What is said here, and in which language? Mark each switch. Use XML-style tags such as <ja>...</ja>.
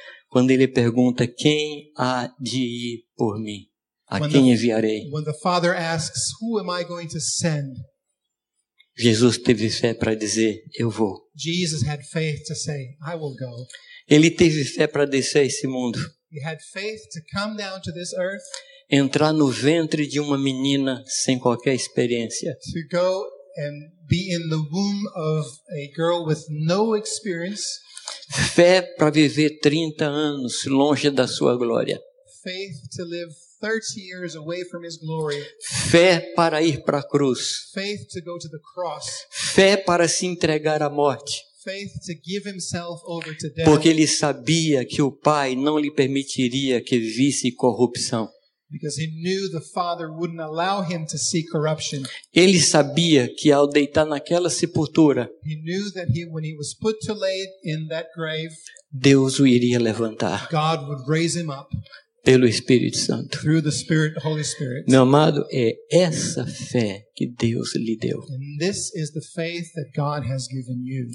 <pt>Quando ele pergunta quem há de ir por mim? A quem enviarei?</pt> <en>When the Father asks, who am I going to send?</en> <pt>Jesus teve fé para dizer, eu vou.</pt> <en>Jesus had faith to say, I will go.</en> <pt>Ele teve fé para descer esse mundo.</pt> <en>He had faith to come down to this earth.</en> <pt>Entrar no ventre de uma menina sem qualquer experiência.</pt> <en>To go and be in the womb of a girl with no experience.</en> <pt>Fé para viver 30 anos longe da sua glória.</pt> <en>Faith to live 30 years away from his glory.</en> <pt>Fé para ir para a cruz.</pt> <en>Faith to go to the cross.</en> <pt>Fé para se entregar à morte.</pt> <en>Faith to give himself over to death.</en> <pt>Porque ele sabia que o Pai não lhe permitiria que visse corrupção.</pt> <en>Because he knew the Father wouldn't allow him to see corruption.</en> <pt>Ele sabia que ao deitar naquela sepultura,</pt> <en>he knew that he, when he was put to lay in that grave,</en> <pt>Deus o iria levantar.</pt> <en>God would raise him up.</en> <pt>Pelo Espírito Santo.</pt> <en>Through the Spirit, Holy Spirit.</en> <pt>Meu amado, é essa fé que Deus lhe deu.</pt> <en>And this is the faith that God has given you.</en>